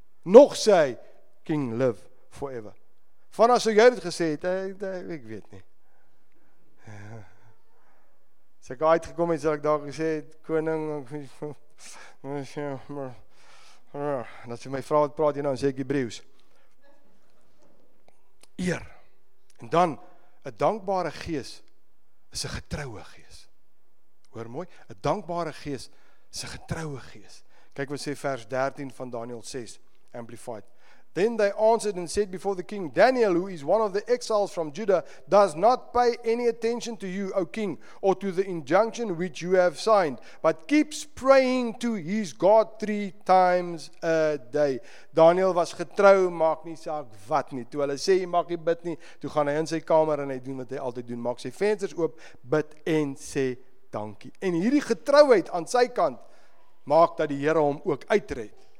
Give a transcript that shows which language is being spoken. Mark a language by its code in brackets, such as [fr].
[af] nog sê hy, [en] king live forever, [af] van as jy het gesê, ek weet nie, as ek uitgekom het, sal ek daar gesê, koning, en as jy my vraag, wat praat jy nou, en sê ek Hebreeus, eer, en dan, 'n dankbare gees, is 'n getroue gees. Hoor mooi, 'n dankbare gees is 'n getroue gees. Kyk wat sê vers 13 van Daniel 6, Amplified. [en] Then they answered and said before the king, Daniel, who is one of the exiles from Judah, does not pay any attention to you, O king, or to the injunction which you have signed, but keeps praying to his God 3 times a day. [af] Daniel was getrou, maak nie saak wat nie. Toe hulle sê, maak nie bid nie, toe gaan hy in sy kamer en hy doen wat hy altyd doen, maak sy vensters oop, bid en sê dankie. En hierdie getrouheid aan sy kant, maak dat die Here hom ook uitred.